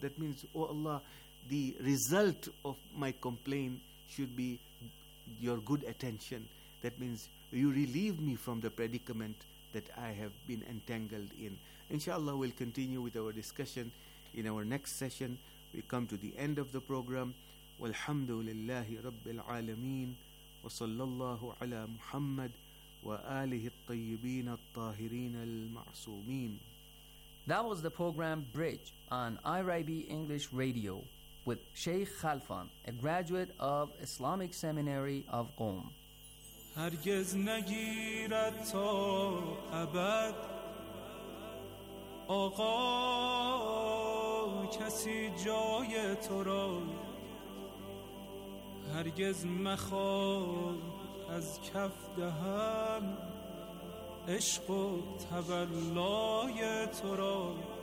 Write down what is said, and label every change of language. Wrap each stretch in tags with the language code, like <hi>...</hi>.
<en>That means, oh Allah, the result of my complaint should be your good attention. That means you relieve me from the predicament that I have been entangled in. Inshallah, we'll continue with our discussion in our next session. We come to the end of the program.</en> <ar>Walhamdulillahi Rabbil Alameen. وصلى الله على محمد وآله الطيبين الطاهرين المعصومين.</ar> <en>That was the program Bridge on IRIB English Radio with Sheikh Khalfan, a graduate of Islamic Seminary of Qom.</en> <fa>هرگز نگیرد تا ابد آقا کسی جای تو را هرگز مخواد از کف دهم عشق و تولای تو را</fa>